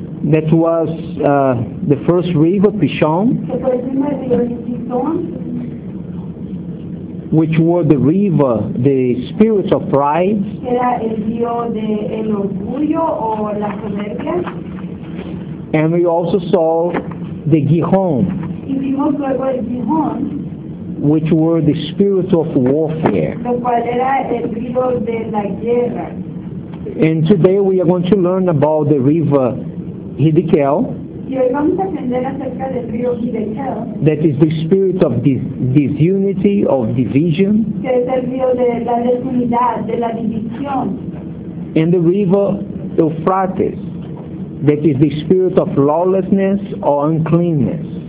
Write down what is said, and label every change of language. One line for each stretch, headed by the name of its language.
English: That was the first river, Pishon, which was the river, the spirit of pride, and we also saw the Gihon, which were the spirit of warfare. And today we are going to learn about the river Hidekel, that is the spirit of disunity, of division,
Spanish: que es el río de la desunidad, de la división,
English: and the river Euphrates, that is the spirit of lawlessness or uncleanness.